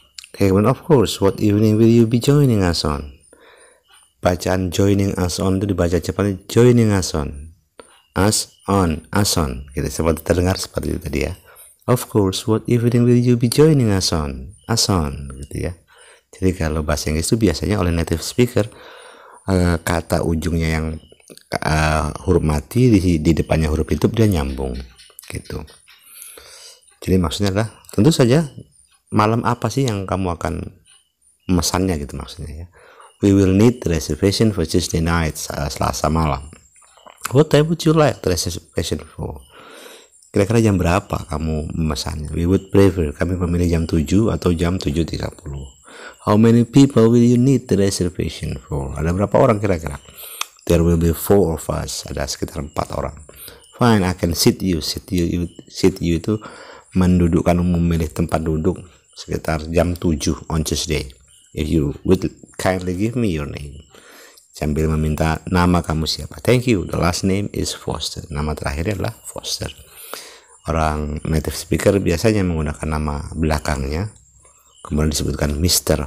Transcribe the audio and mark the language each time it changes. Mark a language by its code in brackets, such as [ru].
[en] Okay, well, of course, what evening will you be joining us on? Bacaan joining us on [id] itu dibaca cepat, [en] joining us on. [id] Us on, us on. Kita seperti terdengar seperti itu tadi ya. [en] Of course, what evening will you be joining us on? [id] Us on, gitu ya. Jadi kalau bahasa Inggris itu biasanya oleh native speaker, kata ujungnya yang huruf mati di depannya huruf hidup dia nyambung, gitu. Jadi maksudnya adalah, tentu saja malam apa sih yang kamu akan memesannya, gitu maksudnya ya. [en] We will need reservation for Tuesday night, [id] Selasa malam. [en] What time would you like the reservation for? [id] Kira-kira jam berapa kamu memesannya? [en] We would prefer, [id] kami memilih jam 7 atau jam 7.30. [en] How many people will you need the reservation for? [id] Ada berapa orang kira-kira? [en] There will be 4 of us, [id] ada sekitar 4 orang. [en] Fine, I can seat you. Seat you [id] itu mendudukkan, memilih tempat duduk sekitar jam 7 [en] on Tuesday. If you would kindly give me your name. [id] Sambil meminta nama kamu siapa. [en] Thank you. The last name is Foster. [id] Nama terakhirnya adalah Foster. Orang native speaker biasanya menggunakan nama belakangnya. Kemudian disebutkan Mr.